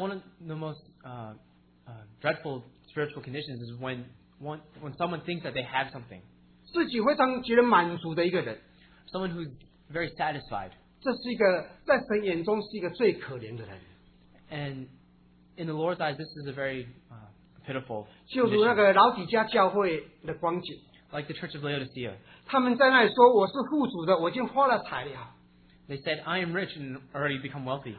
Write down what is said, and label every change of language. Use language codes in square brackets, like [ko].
[en] one of the most dreadful spiritual conditions is when someone thinks that they have something. Someone who's very satisfied. And in the Lord's eyes, this is a very pitiful condition. Like the Church of Laodicea. [zh] 他们在那里说,我是富足的,我已经花了财了。 [en] They said, I am rich and already become wealthy.